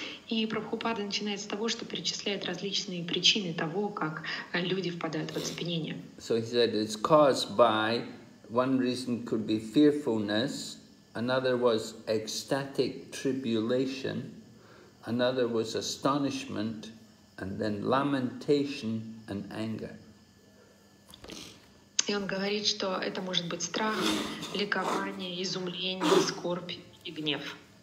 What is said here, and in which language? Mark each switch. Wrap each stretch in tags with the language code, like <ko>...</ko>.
<ru>И Прабхупада начинает с того, что перечисляет различные причины того, как люди впадают в оцепенение.</ru> <en>So he said it's caused by, one reason could be fearfulness, another was ecstatic tribulation, another was astonishment, and then lamentation and anger.</en> <ru>И он говорит, что это может быть страх, ликование, изумление, скорбь и гнев.</ru>